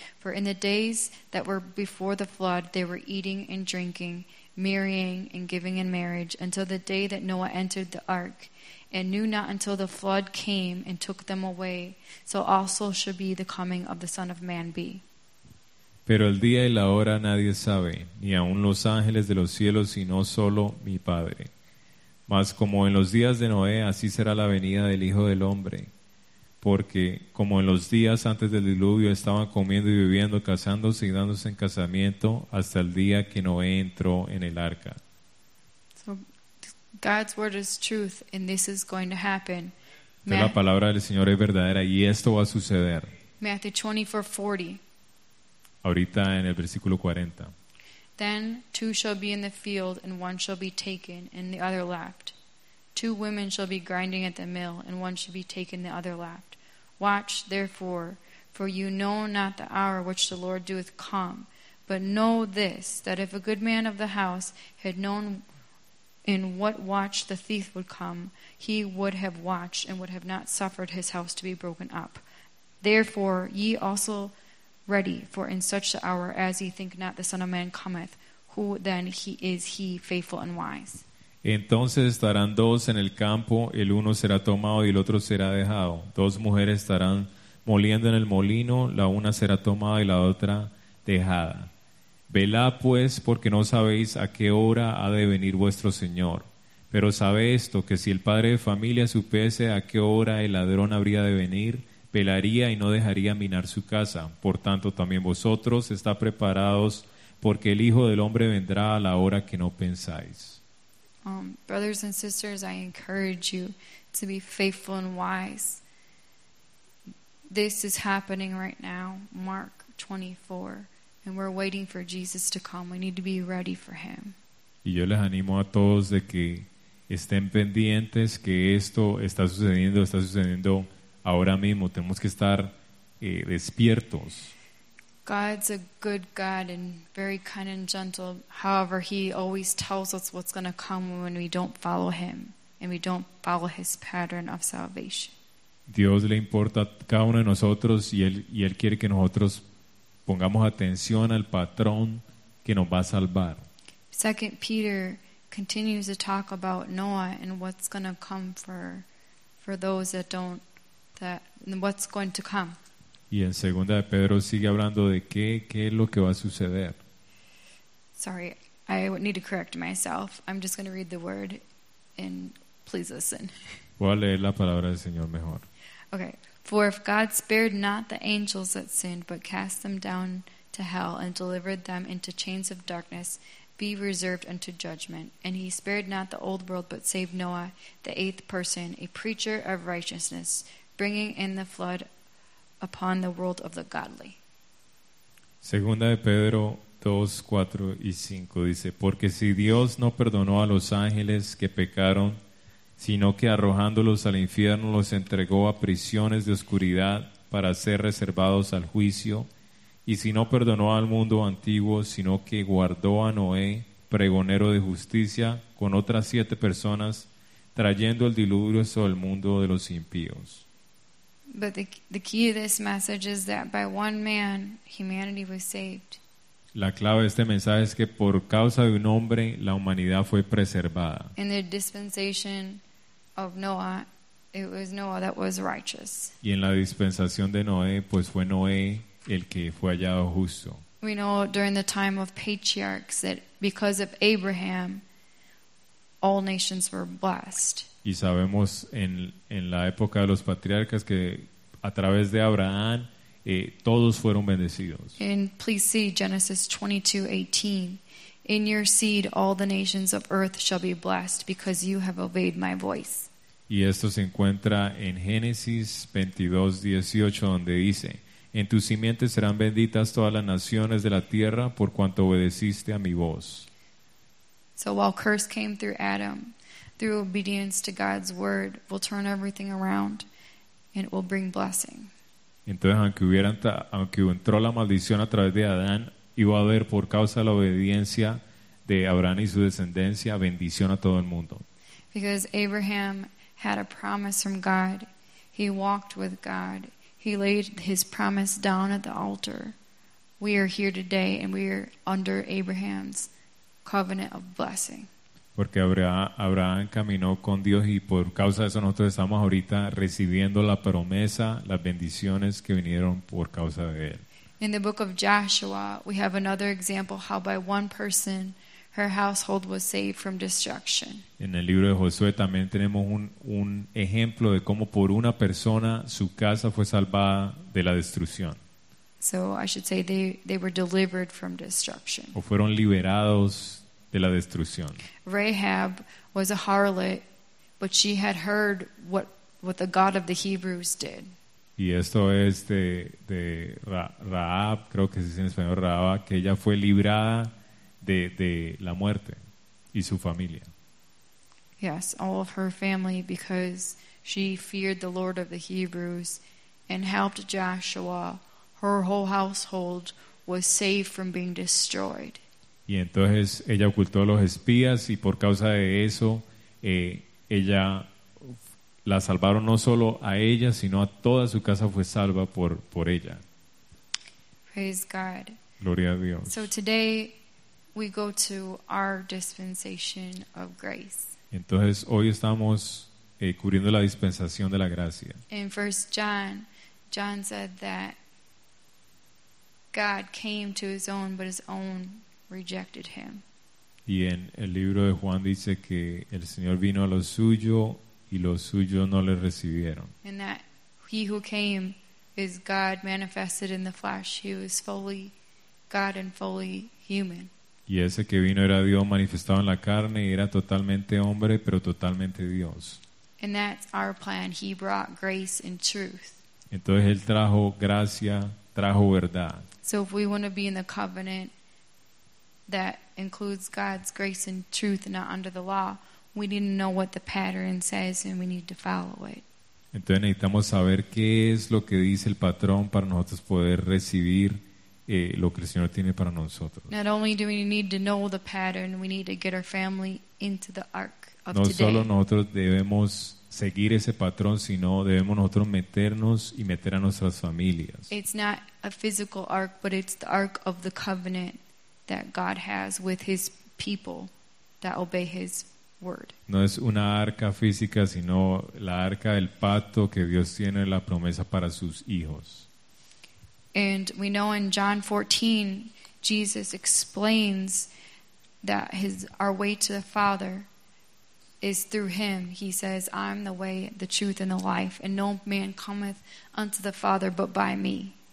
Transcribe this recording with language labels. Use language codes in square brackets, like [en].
[en] For in the days that were before the flood, they were eating and drinking, marrying and giving in marriage, until the day that Noah entered the ark, and knew not until the flood came and took them away. So also shall be the coming of the Son of Man be. [es] Pero el día y la hora nadie sabe, ni aun los ángeles de los cielos, sino solo mi Padre. Mas como en los días de Noé, así será la venida del Hijo del Hombre. Porque como en los días antes del diluvio estaban comiendo y bebiendo, casándose y dándose en casamiento, hasta el día que Noé entró en el arca. [en] So, God's word is truth, and this is going to happen. [es] Entonces, la palabra del Señor es verdadera y esto va a suceder. [en] Matthew 24:40. [es] Ahorita en el versículo 40. [en] Then two shall be in the field, and one shall be taken, and the other left. Two women shall be grinding at the mill, and one shall be taken, the other left. Watch, therefore, for you know not the hour which the Lord doeth come. But know this, that if a good man of the house had known in what watch the thief would come, he would have watched, and would have not suffered his house to be broken up. Therefore, ye also ready, for in such the hour as ye think not the Son of Man cometh, who then is he faithful and wise? [es] Entonces estarán dos en el campo, el uno será tomado y el otro será dejado. Dos mujeres estarán moliendo en el molino, la una será tomada y la otra dejada. Velad pues, porque no sabéis a qué hora ha de venir vuestro Señor. Pero sabe esto, que si el padre de familia supiese a qué hora el ladrón habría de venir, velaría y no dejaría minar su casa. Por tanto, también vosotros está preparados, porque el Hijo del Hombre vendrá a la hora que no pensáis. [en] Brothers and sisters, I encourage you to be faithful and wise. This is happening right now, Mark 24, and we're waiting for Jesus to come. We need to be ready for him. [es] Y yo les animo a todos de que estén pendientes que esto está sucediendo ahora mismo. Tenemos que estar despiertos. [en] God's a good God and very kind and gentle. However, he always tells us what's going to come when we don't follow him and we don't follow his pattern of salvation. [es] Dios le importa a cada uno de nosotros y él quiere que nosotros pongamos atención al patrón que nos va a salvar. [en] 2 Peter continues to talk about Noah and what's going to come for those that don't, that what's going to come. [es] Y en segunda de Pedro sigue hablando de qué es lo que va a suceder. [en] Sorry, I need to correct myself. I'm just going to read the word and please listen. [es] Voy a leer la palabra del Señor mejor. [en] Okay. For if God spared not the angels that sinned, but cast them down to hell and delivered them into chains of darkness, be reserved unto judgment. And he spared not the old world, but saved Noah, the eighth person, a preacher of righteousness, bringing in the flood upon the world of the godly. [es] Segunda de Pedro 2, 4 y 5 dice, porque si Dios no perdonó a los ángeles que pecaron, sino que arrojándolos al infierno los entregó a prisiones de oscuridad para ser reservados al juicio, y si no perdonó al mundo antiguo, sino que guardó a Noé, pregonero de justicia, con otras siete personas, trayendo el diluvio sobre el mundo de los impíos. [en] But the key of this message is that by one man, humanity was saved. [es] La clave de este mensaje es que por causa de un hombre, la humanidad fue preservada. [en] In the dispensation of Noah, it was Noah that was righteous. [es] Y en la dispensación de Noé, pues fue Noé el que fue hallado justo. [en] We know during the time of patriarchs that because of Abraham, all nations were blessed. [es] Y sabemos en la época de los patriarcas que a través de Abraham todos fueron bendecidos. [en] And please see Genesis 22:18. In your seed all the nations of earth shall be blessed because you have obeyed my voice. [es] Y esto se encuentra en Génesis 22:18 donde dice, en tu simiente serán benditas todas las naciones de la tierra por cuanto obedeciste a mi voz. [en] So while curse came through Adam, through obedience to God's word, will turn everything around and it will bring blessing. [es] Entonces, aunque entró la maldición a través de Adán, iba a haber por causa de la obediencia de Abraham y su descendencia bendición a todo el mundo. [en] Because Abraham had a promise from God. He walked with God. He laid his promise down at the altar. We are here today and we are under Abraham's covenant of blessing. [es] Porque Abraham caminó con Dios y por causa de eso nosotros estamos ahorita recibiendo la promesa, las bendiciones que vinieron por causa de él. [en] In the book of Joshua, we have another example how by one person her household was saved from destruction. [es] En el libro de Josué también tenemos un ejemplo de cómo por una persona su casa fue salvada de la destrucción. [en] So I should say they were delivered from destruction. [es] O fueron liberados de la destrucción. [en] Rahab was a harlot, but she had heard what the God of the Hebrews did. [es] Y esto es de Rahab, creo que se dice en español Rahab, que ella fue librada de la muerte y su familia. [en] Yes, all of her family because she feared the Lord of the Hebrews and helped Joshua. Her whole household was saved from being destroyed. [es] Y entonces ella ocultó a los espías y por causa de eso ella la salvaron no solo a ella sino a toda su casa fue salva por ella. [en] Praise God. [es] Gloria a Dios. [en] So today we go to our dispensation of grace. [es] Entonces hoy estamos cubriendo la dispensación de la gracia. [en] In 1 John, John said that God came to his own but his own rejected him. [es] Y en el libro de Juan dice que el Señor vino a lo suyo y los suyos no le recibieron. [en] And that he who came is God manifested in the flesh. He was fully God and fully human. [es] Y ese que vino era Dios manifestado en la carne y era totalmente hombre pero totalmente Dios. [en] And that's our plan. He brought grace and truth. [es] Entonces él trajo gracia, trajo verdad. [en] So if we want to be in the covenant that includes God's grace and truth, not under the law, we need to know what the pattern says and we need to follow it. [es] Entonces necesitamos saber qué es lo que dice el patrón para nosotros poder recibir lo que el Señor tiene para nosotros. [en] Not only do we need to know the pattern, we need to get our family into the ark of today. [es] No solo nosotros debemos seguir ese patrón, sino debemos nosotros meternos y meter a nuestras familias. [en] It's not a physical ark, but it's the ark of the covenant that God has with his people that obey his word. [es] No es una arca física, sino la arca del pacto que Dios tiene, la promesa para sus hijos. [en] And we know in John 14, Jesus explains that our way to the Father is through him. He says, I'm the way, the truth, and the life, and no man cometh unto the Father but by me.